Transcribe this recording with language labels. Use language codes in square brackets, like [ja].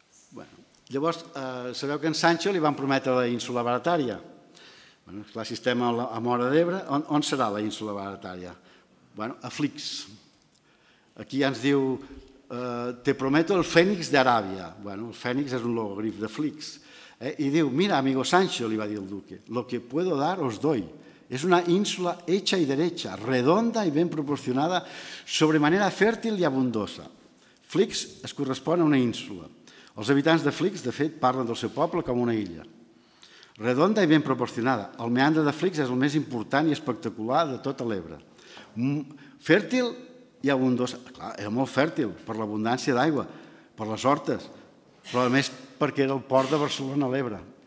[ca] Bueno, llavors, sabeu que en Sancho li van prometre la ínsula Barataria. Bueno, clar, si estem a Móra d'Ebre, on serà la ínsula Barataria? Bueno, a Flix. Aquí ja ens diu, [es] te prometo [ca] el fènix d'Aràbia. Bueno, el fènix és un logogrif de Flix. I diu, mira, [es] amigo Sancho, [ca] li va dir el [es] duque, lo que puedo dar os doy. Es una ínsula hecha y derecha, redonda y bien proporcionada, sobremanera fértil y abundosa. [ca] Flix es correspon a una ínsula. Els habitants de Flix, de fet, parlen del seu poble com una illa. Redonda i ben proporcionada. El meandre de Flix és el més important i espectacular de tota l'Ebre. Fèrtil i abundosa. Clar, era molt fèrtil per l'abundància d'aigua, per les hortes, però a més perquè era el port de Barcelona a l'Ebre.